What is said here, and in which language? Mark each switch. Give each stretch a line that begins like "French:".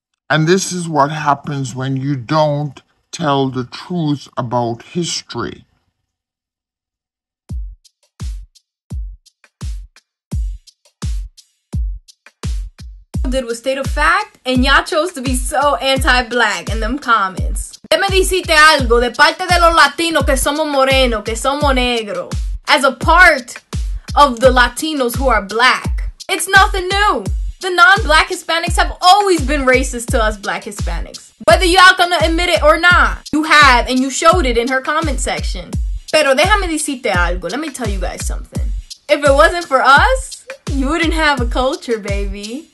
English: And this is what happens when you don't tell the truth about history. Did with state of fact, and y'all chose to be so anti-black in them comments.
Spanish: Me dijiste algo de parte de los latinos que somos moreno, que somos negro.
English: As a part of the Latinos who are black, it's nothing new. The non-black Hispanics have always been racist to us black Hispanics. Whether y'all gonna admit it or not, you have, and you showed it in her comment section.
Spanish: Pero déjame decirte algo,
English: let me tell you guys something. If it wasn't for us, you wouldn't have a culture, baby.